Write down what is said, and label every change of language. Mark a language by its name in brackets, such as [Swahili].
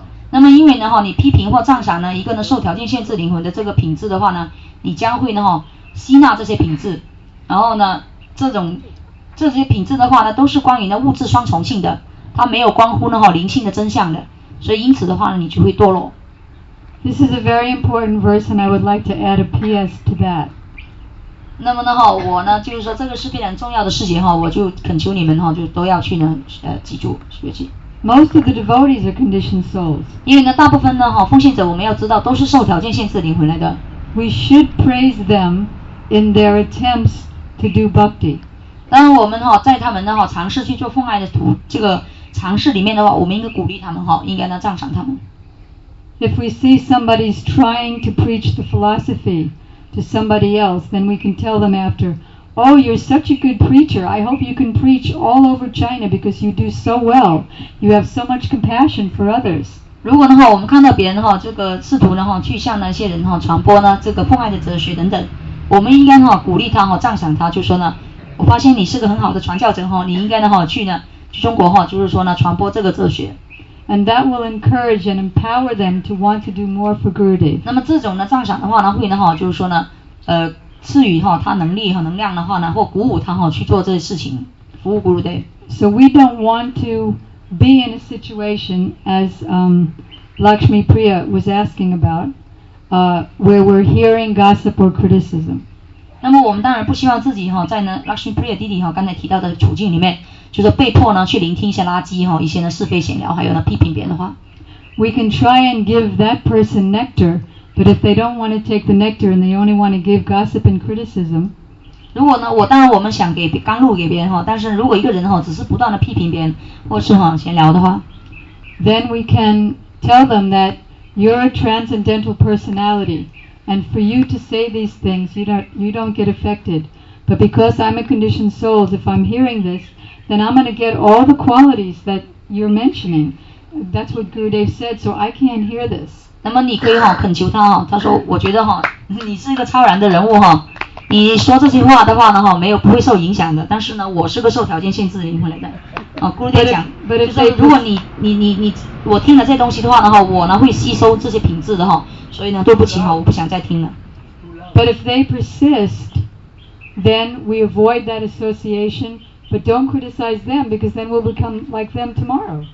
[Chinese] 那么因为呢你批评或赞赏呢一个呢受条件限制灵魂的这个品质的话呢，你将会呢吸纳这些品质，然后呢这些品质的话呢都是关于呢物质双重性的，它没有关乎呢灵性的真相的，所以因此的话呢你就会堕落。 [English] This is a very important verse and I would like to add a PS to that. [Chinese] 那么呢我呢就是说这个是非常重要的事情，我就恳求你们就都要去呢记住学习。 [English] Most of the devotees are conditioned souls. [Chinese] 因为呢，大部分呢，哈，奉献者我们要知道都是受条件限制灵魂来的。 [English] We should praise them in their attempts to do bhakti. [Chinese] 当我们哈在他们呢哈尝试去做奉爱的途这个尝试里面的话，我们应该鼓励他们哈，应该呢赞赏他们。 [English] If we see somebody's trying to preach the philosophy to somebody else, then we can tell them after, Oh, you're such a good preacher. I hope you can preach all over China because you do so well. You have so much compassion for others. [Chinese] 如果的话，我们看到别人的话，这个试图的话去向那些人哈传播呢这个奉爱的哲学等等，我们应该哈鼓励他哈赞赏他，就说呢，我发现你是个很好的传教者哈，你应该的话去呢去中国哈，就是说呢传播这个哲学。 [English] And that will encourage and empower them to want to do more for Gurudev. [Chinese] 那么这种呢赞赏的话呢会呢哈就是说呢赐予哈他能力和能量的话呢，或鼓舞他哈去做这些事情，服务 Gurudev。 [English] So we don't want to be in a situation as Lakshmi Priya was asking about, where we're hearing gossip or criticism. [Chinese] 那么我们当然不希望自己哈在呢 Lakshmi Priya 弟弟哈刚才提到的处境里面，就是被迫呢去聆听一些垃圾哈，一些呢是非闲聊，还有呢批评别人的话。 [English] We can try and give that person nectar. But if they don't want to take the nectar and they only want to give gossip and criticism, [Chinese] 如果呢，当然我们想给甘露给别人哈，但是如果一个人哈只是不断的批评别人或是哈闲聊的话 [English] ，then we can tell them that you're a transcendental personality, and for you to say these things, you don't get affected. But because I'm a conditioned soul, if I'm hearing this, then I'm going to get all the qualities that you're mentioning. That's what Gurudev said, so I can't hear this. [Chinese] 那么你可以哈恳求他哈，他说我觉得哈你是一个超然的人物哈，你说这些话的话呢哈没有不会受影响的，但是呢我是个受条件限制的灵魂来的，咕噜爹讲，就是如果你我听了这些东西的话呢，我呢会吸收这些品质的哈，所以呢对不起哈，我不想再听了。 [English] But if they persist, then we avoid that association. But don't criticize them because then we'll become like them tomorrow.